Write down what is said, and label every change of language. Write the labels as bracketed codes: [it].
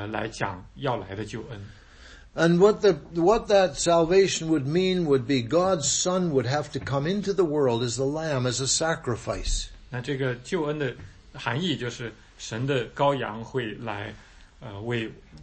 [zh] 然后呢，他们要预备很多后面的先知，来讲要来的救恩。 [en] And what that salvation would mean would be God's Son would have to come into the world as a lamb, as a sacrifice. [zh] 那这个救恩的含义就是神的羔羊会来，为。